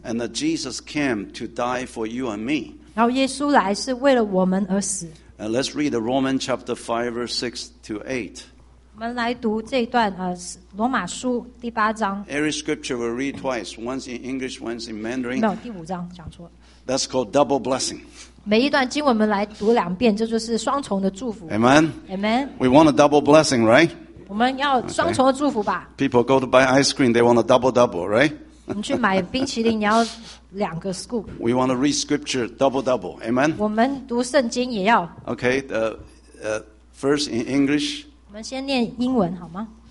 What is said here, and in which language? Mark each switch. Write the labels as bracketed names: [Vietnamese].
[English] And that Jesus came to die for you and me. [Chinese] 然后耶稣来是为了我们而死。 [English] And let's read Romans chapter 5, verse 6 to 8. [Chinese] 我们来读这段罗马书第八章。 [English] Every scripture will read twice, once in English, once in Mandarin. [Chinese] 没有第五章讲错了。 [English] That's called double blessing. [Chinese] 每一段经文我们来读两遍，这就是双重的祝福。 [English] Amen. Amen. We want a double blessing, right? [Chinese] 我们要双重的祝福吧。 [English] Okay. People go to buy ice cream, they want a double double, right? [Chinese] 我们去买冰淇淋，你要两个 scoop. [English] We want to read scripture double double. Amen. [Chinese] 我们读圣经也要。 [English] Okay. First in English. [Chinese] 我们先念英文好吗